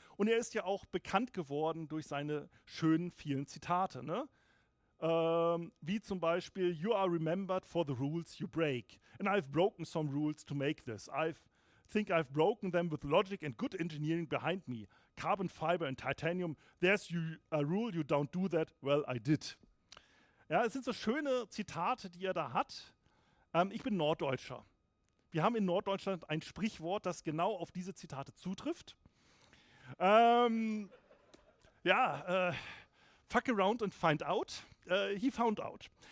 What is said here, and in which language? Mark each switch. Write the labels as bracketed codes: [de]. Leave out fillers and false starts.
[de] Und er ist ja auch bekannt geworden durch seine schönen vielen Zitate. Ne? Wie zum Beispiel, [en] "You are remembered for the rules you break. And I've broken some rules to make this. I think I've broken them with logic and good engineering behind me. Carbon fiber and titanium, there's a rule you don't do that. Well, I did." [de] Ja, es sind so schöne Zitate, die er da hat. Ich bin Norddeutscher. Wir haben in Norddeutschland ein Sprichwort, das genau auf diese Zitate zutrifft. [en] Fuck around and find out. He found out.